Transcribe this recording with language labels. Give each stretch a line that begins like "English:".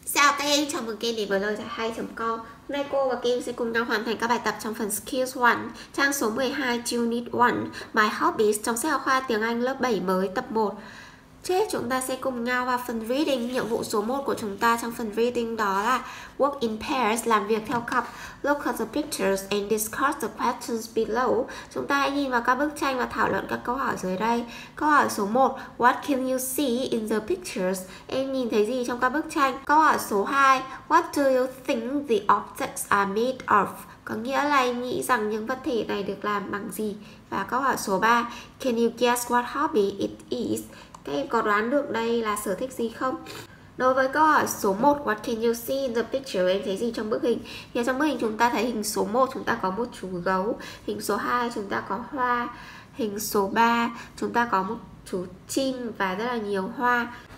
Vietnamese: Chào các em, chào mừng các em đến với lời giải hay chấm com. Hôm nay cô và các em sẽ cùng nhau hoàn thành các bài tập trong phần Skills 1, trang số 12, Unit 1, My Hobbies trong sách giáo khoa tiếng Anh lớp 7 mới tập 1. Trước chúng ta sẽ cùng nhau vào phần Reading. Nhiệm vụ số 1 của chúng ta trong phần Reading đó là
English: Work in Pairs,
Vietnamese: làm việc theo cặp.
English: Look at the pictures and discuss the questions below.
Vietnamese: Chúng ta hãy nhìn vào các bức tranh và thảo luận các câu hỏi dưới đây. Câu hỏi số 1,
English: What can you see in the pictures?
Vietnamese: Em nhìn thấy gì trong các bức tranh? Câu hỏi số 2,
English: What do you think the objects are made of?
Vietnamese: Có nghĩa là em nghĩ rằng những vật thể này được làm bằng gì? Và câu hỏi số 3,
English: Can you guess what hobby it is?
Vietnamese: Các em có đoán được đây là sở thích gì không? Đối với câu hỏi số 1,
English: What can you see in the picture?
Vietnamese: Em thấy gì trong bức hình? Thì trong bức hình chúng ta thấy hình số 1 chúng ta có một chú gấu, hình số 2 chúng ta có hoa, hình số 3 chúng ta có một chú chim và rất là nhiều hoa.